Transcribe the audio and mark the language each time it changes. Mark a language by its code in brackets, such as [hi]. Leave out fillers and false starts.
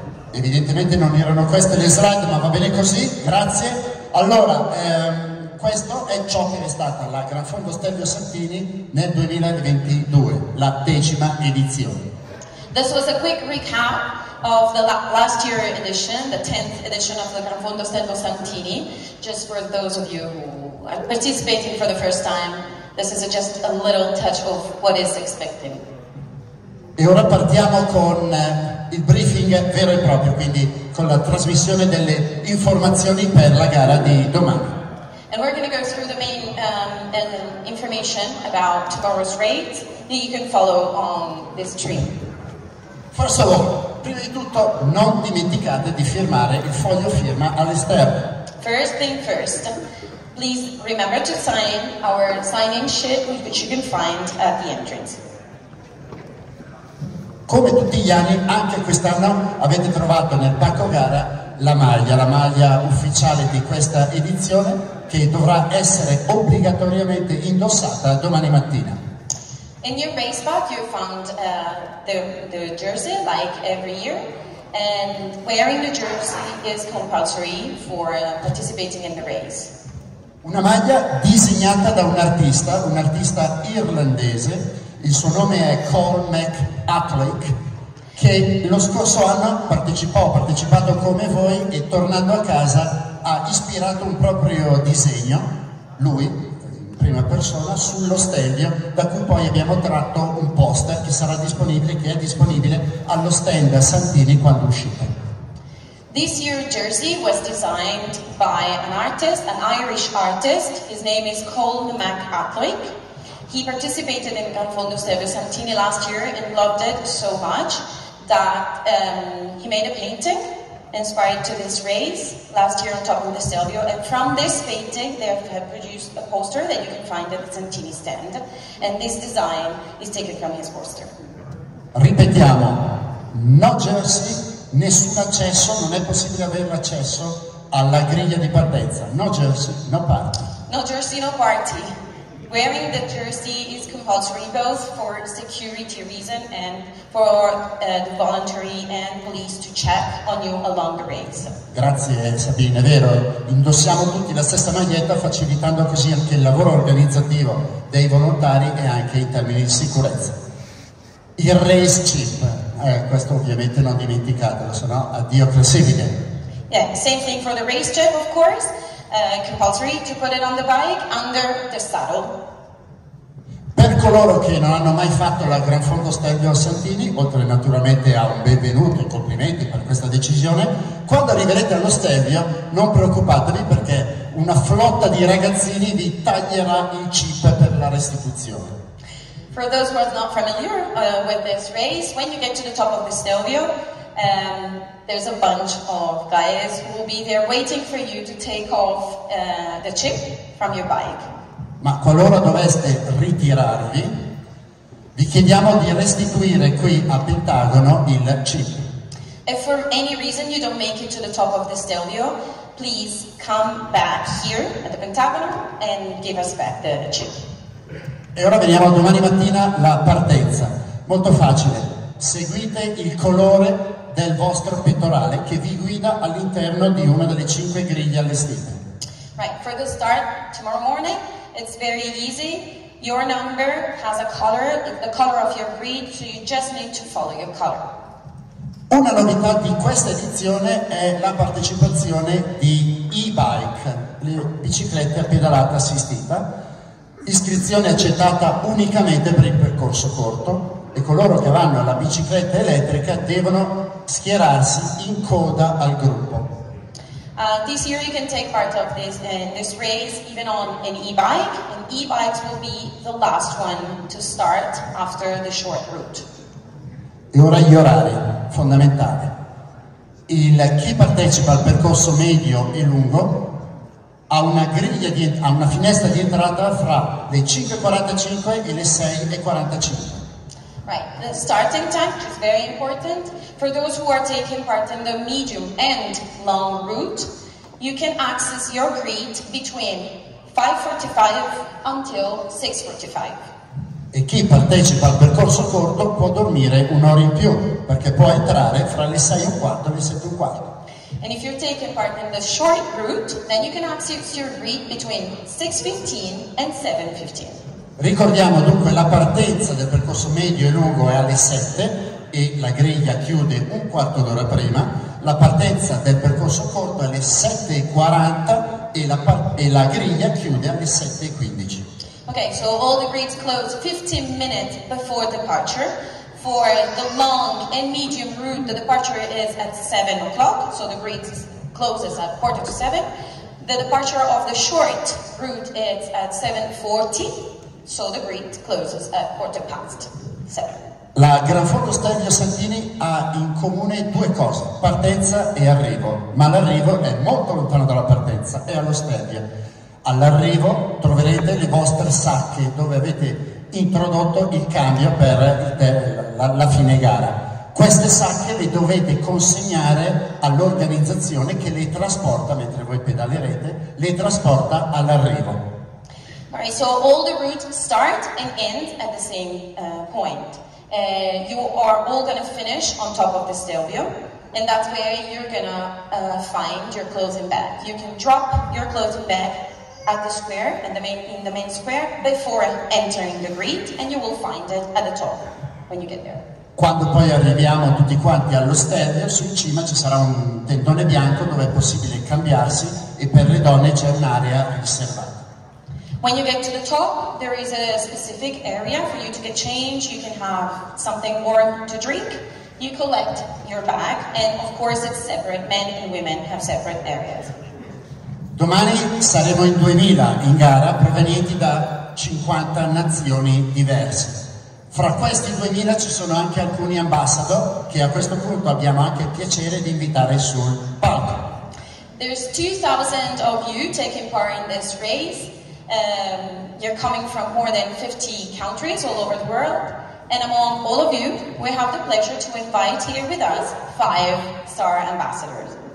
[it] Evidentemente non erano queste le slide, ma va bene così. Grazie. Allora, questo è ciò che è stata la Gran Fondo Stelvio Santini nel 2022, la decima edizione. [en] This was a quick recap of the last year edition, the 10th edition of the Gran Fondo Stelvio Santini. Just for those of you who are participating for the first time, this is just a little touch of what is expected. [it] E ora partiamo con il briefing vero e proprio, quindi con la trasmissione delle informazioni per la gara di domani. [en] And we're going to go through the main information about tomorrow's race that you can follow on this stream. First of all, [it] prima di tutto, non dimenticate di firmare il foglio firma all'esterno. [en] First thing first, please remember to sign our sign-in sheet, which you can find at the entrance. [it] Come tutti gli anni, anche quest'anno avete trovato nel pacco gara la maglia ufficiale di questa edizione, che dovrà essere obbligatoriamente indossata domani mattina. [en] In your race pack you found the jersey like every year, and wearing the jersey is compulsory for participating in the race. [it] Una maglia disegnata da un artista irlandese, il suo nome è Col McAtlick, che lo scorso anno ha partecipato come voi e tornando a casa ha ispirato un proprio disegno, lui, in prima persona, sullo stelvio, da cui poi abbiamo tratto un poster che sarà disponibile, che è disponibile allo stand a Santini quando uscite. [en] This year's jersey was designed by an artist, an Irish artist. His name is Colm McAtlick. He participated in Gran Fondo Stelvio Santini last year and loved it so much that he made a painting inspired to this race last year on top of the Stelvio, and from this painting they have produced a poster that you can find at the Santini stand, and this design is taken from his poster. [it] Ripetiamo, [en] no jersey, [it] nessun accesso, non è possibile avere accesso alla griglia di partenza. [en] No jersey, no party. No jersey, no party. Wearing the jersey is compulsory both for security reason and for the voluntary and police to check on you along the race. [it] Grazie Sabine, è vero, indossiamo tutti la stessa maglietta facilitando così anche il lavoro organizzativo dei volontari e anche in termini di sicurezza. Il race chip, questo ovviamente non dimenticatelo, sennò addio classifiche. [en] Yeah, same thing for the race chip of course. Compulsory to put it on the bike under the saddle. [it] Per coloro che non hanno mai fatto la Gran Fondo Stelvio Santini, oltre naturalmente a un benvenuto e complimenti per questa decisione, quando arriverete allo stelvio non preoccupatevi perché una flotta di ragazzini vi taglierà il chip per la restituzione. [en] For those who are not familiar with this race, when you get to the top of the stelvio, there's a bunch of guys who will be there waiting for you to take off the chip from your bike. [it] Ma qualora doveste ritirarvi, vi chiediamo di restituire qui a Pentagono il chip. [en] If for any reason you don't make it to the top of the stelvio, please come back here at the Pentagono and give us back the chip. [it] E ora veniamo domani mattina la partenza. Molto facile. Seguite il colore del vostro pettorale che vi guida all'interno di una delle cinque griglie allestite. [en] Right, for the start tomorrow morning, it's very easy. Your number has a color, the color of your breed, so you just need to follow your color. [it] Una novità di questa edizione è la partecipazione di e-bike, le biciclette a pedalata assistita. Iscrizione accettata unicamente per il percorso corto e coloro che vanno alla bicicletta elettrica devono schierarsi in coda al gruppo. [en] This year you can take part of this race even on an e-bike, and e-bikes will be the last one to start after the short route. [it] E ora gli orari, fondamentale. Chi partecipa al percorso medio e lungo ha una finestra di entrata fra le 5.45 e le 6.45. [en] Right, the starting time is very important. For those who are taking part in the medium and long route, you can access your grid between 5.45 until 6.45. [it] E chi partecipa al percorso corto può dormire un'ora in più, perché può entrare fra le 6.15 e le 7.15. [en] And if you're taking part in the short route, then you can access your grid between 6.15 and 7.15. [it] Ricordiamo dunque, la partenza del percorso medio e lungo è alle 7 e la griglia chiude un quarto d'ora prima. La partenza del percorso corto è alle 7.40 e la griglia chiude alle 7.15. [en] Okay, so all the grids close 15 minutes before departure. For the long and medium route, the departure is at 7 o'clock, so the grid closes at 6:45. The departure of the short route is at 7:40, so the grid closes at 7:15. [it] La Gran Fondo Stelvio Santini ha in comune due cose, partenza e arrivo, ma l'arrivo è molto lontano dalla partenza, è allo Stelvio. All'arrivo troverete le vostre sacche dove avete introdotto il cambio per la fine gara. Queste sacche le dovete consegnare all'organizzazione che le trasporta mentre voi pedalerete, le trasporta all'arrivo. [en] All right, so all the routes start and end at the same point. You are all going to finish on top of the Stelvio, and that's where you're going to find your clothing bag. You can drop your clothing bag at the square, in the main square, before entering the grid, and you will find it at the top when you get there. [it] Quando poi arriviamo tutti quanti allo Stelvio, su in cima ci sarà un tendone bianco dove è possibile cambiarsi, e per le donne c'è un'area riservata. [en] When you get to the top, there is a specific area for you to get changed. You can have something warm to drink. You collect your bag, and of course it's separate. Men and women have separate areas. [it] Domani saremo in 2000 in gara, provenienti da 50 nazioni diverse. Fra questi 2000 ci sono anche alcuni ambassador che a questo punto abbiamo anche il piacere di invitare sul palco. [en] There's 2000 of you taking part in this race. You're coming from more than 50 countries all over the world, and among all of you we have the pleasure to invite here with us 5 star ambassadors.